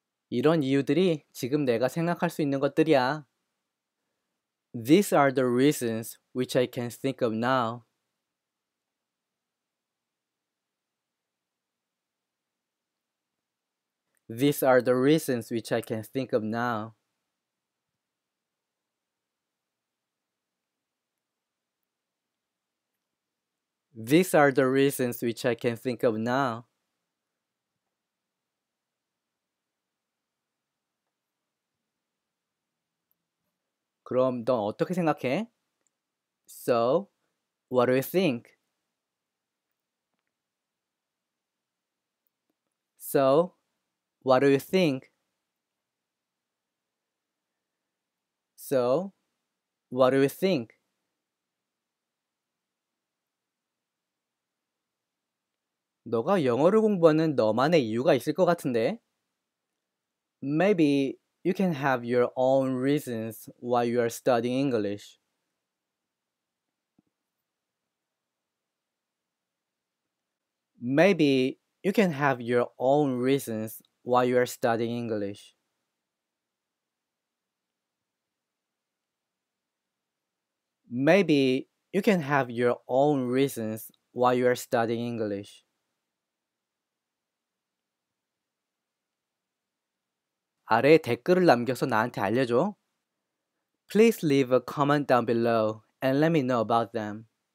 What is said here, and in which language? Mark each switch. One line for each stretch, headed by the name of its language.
Korean: 이런 이유들이 지금 내가 생각할 수 있는 것들이야.
English: These are the reasons which I can think of now.
Korean: 그럼 넌 어떻게 생각해?
English: So, what do you think? So, what do you think? So, what do you think?
Korean: 너가 영어를 공부하는 너만의 이유가 있을 것 같은데?
English: Maybe you can have your own reasons why you are studying English. Maybe you can have your own reasons why you are studying English.
Korean: 아래 댓글을 남겨서 나한테 알려줘.
English: Please leave a comment down below and let me know about them.